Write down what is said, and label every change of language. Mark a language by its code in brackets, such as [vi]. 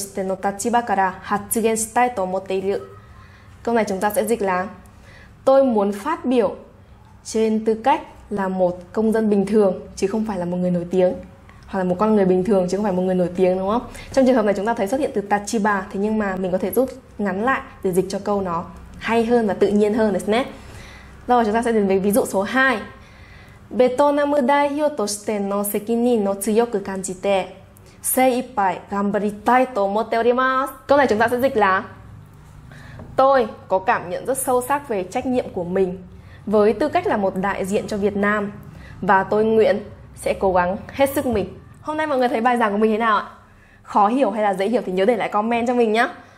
[ja] 有名人としてではなく一人の人間としての立場から発言したいと思っている. [vi] Câu này chúng ta sẽ dịch là: tôi muốn phát biểu trên tư cách là một công dân bình thường chứ không phải là một người nổi tiếng, hoặc là một con người bình thường chứ không phải một người nổi tiếng, đúng không? Trong trường hợp này chúng ta thấy xuất hiện từ tachiba, thế nhưng mà mình có thể rút ngắn lại để dịch cho câu nó hay hơn và tự nhiên hơn đấy nhé. Rồi chúng ta sẽ đến với ví dụ số 2. Vietnam đại hiệu [ja] としての責任を強く感じて精一杯頑張りたいと思っております。 [vi] Câu này chúng ta sẽ dịch là: tôi có cảm nhận rất sâu sắc về trách nhiệm của mình với tư cách là một đại diện cho Việt Nam và tôi nguyện sẽ cố gắng hết sức mình. Hôm nay mọi người thấy bài giảng của mình thế nào ạ? Khó hiểu hay là dễ hiểu thì nhớ để lại comment cho mình nhé.